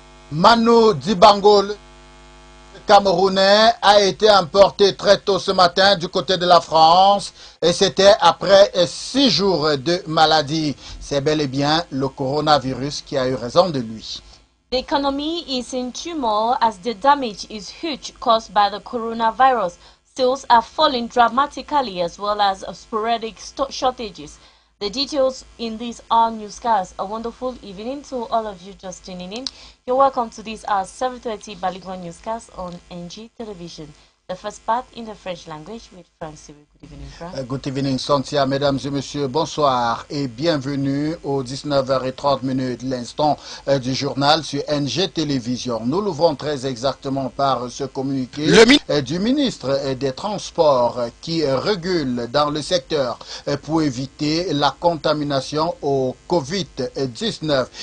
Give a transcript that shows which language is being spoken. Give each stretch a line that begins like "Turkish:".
French: Manu Dibangul, Camerounais, a été emporté très tôt ce matin du côté de la France et c'était après 6 jours de maladie. C'est bel et bien le coronavirus qui a eu raison de lui.
English: The economy is in turmoil as the damage is huge caused by the coronavirus. Sales are falling dramatically as well as sporadic shortages. The details in this our newscast. A wonderful evening to all of you just tuning in. You're welcome to this our 7:30 Bilingual Newscast on NG Television. The first part in the French language with Francis. Good evening, Francis. Good evening, Santia.
French: Mesdames et messieurs, bonsoir et bienvenue au 19h30, l'instant du journal sur NG Télévision. Nous l'ouvrons très exactement par ce communiqué du ministre des Transports qui régule dans le secteur pour éviter la contamination au COVID-19.